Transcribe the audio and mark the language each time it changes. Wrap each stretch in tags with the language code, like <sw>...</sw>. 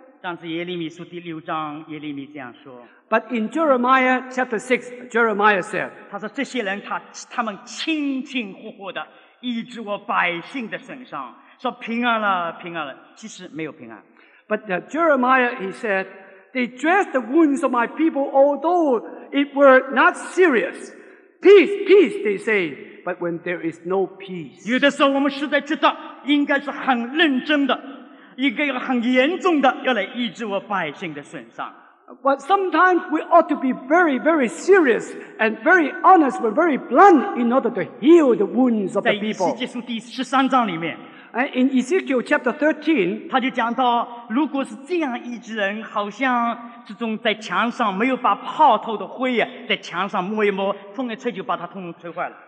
<zh>但是耶利米书第六章，耶利米这样说。</zh> <en>But in Jeremiah chapter 6, Jeremiah said,</en> <zh>他说这些人他们清清乎乎的医治我百姓的身上，说平安了，平安了，其实没有平安。</zh> <en>But Jeremiah, he said, they dressed the wounds of my people, although it were not serious. Peace, peace, they say, but when there is no peace.</en> <zh>有的时候我们实在知道应该是很认真的，一个很严重的，要来医治我百姓的损伤。</zh> <en>But sometimes we ought to be very, very serious and very honest, we're very blunt in order to heal the wounds of the people.</en> <zh>在以西结书第十三章里面</zh> <en>，In Ezekiel chapter 13,</en> <zh>他就讲到，如果是这样医治人，好像这种在墙上没有把泡透的灰呀，在墙上摸一摸，风一吹就把它通通吹坏了。</zh>